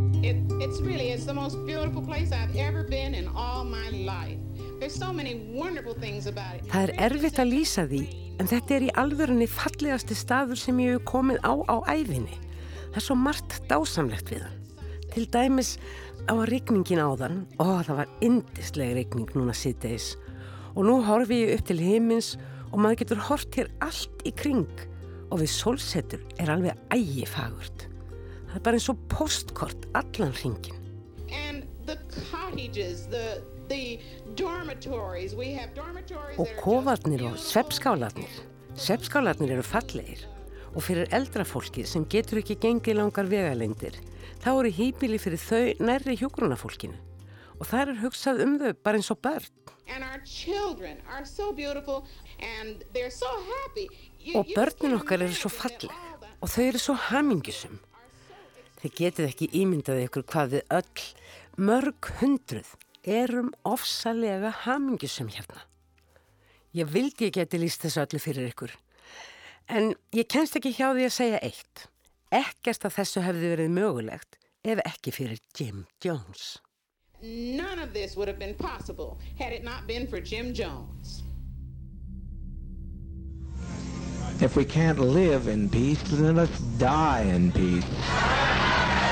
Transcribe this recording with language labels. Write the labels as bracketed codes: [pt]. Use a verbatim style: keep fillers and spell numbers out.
[en] It it's really is the most beautiful place I've ever been in all my life. There's so many wonderful things about it. [is] Það er erfitt að lýsa því, en þetta er í alvörunni fallegasti staður sem ég hef komið á á ævinni. Það er svo margt dásamlegt við hann. Til dæmis á rigningin áðan, ó það var yndisleg rigning núna síðdegis. Og nú horfi ég upp til himins og maður getur hort hér allt í kring og við sólsetur er alveg ægifagurt. Það er bara eins og postkort allan hringinn. [en] And the cottages, the the dormitories, we have dormitories. [is] Og kofarnir og svefnskálarnir. Svefnskálarnir eru fallegir og fyrir eldra fólki sem getur ekki gengið langar vegalengdir, þá eru híbýli fyrir þau nærri hjúkrunarfólkinu. Og þar er hugsað um þau bara eins og börn. [en] And our children are so beautiful and they're so happy. [is] You, og börnin okkar eru svo falleg og þau eru svo hamingjusum. Þið getið ekki ímyndað ykkur hvað við öll, mörg hundruð, erum ofsalega hamingjusum hérna. Ég vildi ég geti lýst þessu öllu fyrir ykkur. En ég kemst ekki hjá því að segja eitt. Ekkert af þessu hefði verið mögulegt ef ekki fyrir Jim Jones. [en] None of this would have been possible had it not been for Jim Jones. If we can't live in peace, then let's die in peace.